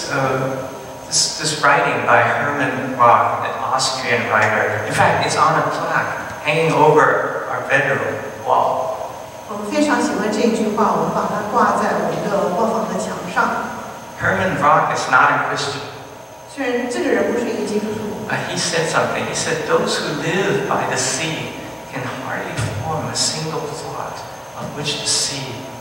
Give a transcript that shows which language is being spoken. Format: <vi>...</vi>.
<en>There is this writing by Hermann Rock, an Austrian writer. In fact, it's on a plaque hanging over our bedroom wall.</en> <zh>我们非常喜欢这句话，我们把它挂在我们的卧房的墙上。</zh> <en>Hermann Rock is not a Christian.</en> <zh>虽然这个人不是一个基督徒。</zh> <en>But he said something. He said, "Those who live by the sea can hardly form a single thought of which the sea."</en>